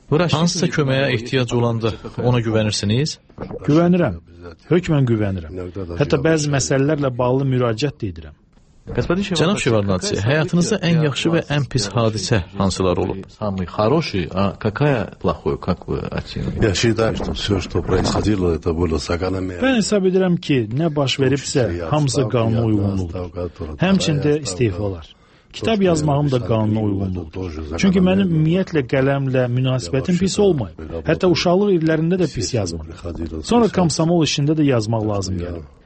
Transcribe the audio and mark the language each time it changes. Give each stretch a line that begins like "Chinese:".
Azerbaijani: Hansısa köməyə ehtiyac olanda ona güvənirsiniz? Güvənirəm, hökmən güvənirəm. Hətta bəzi məsələlərlə bağlı müraciət edirəm. Cənab Şevardnadze, həyatınızda ən yaxşı və ən pis hadisə hansılar olub?
Russian: Самый хороший, а какая плохой, как вы оцениваете? Я считаю, что всё, что происходило, это было закономерно.
Azerbaijani: Mən hesab edirəm ki, nə baş veribsə, hamısı qanuna uyğunluqdur. Həmçində istefalar. Kitab yazmağım da qanuna uyğunluqdur. Çünki mənim ümumiyyətlə qələmlə münasibətim pis olmayıb. Hətta uşaqlıq illərində də pis yazmadım. Sonra komsomol işində də yazmaq lazım gəlir.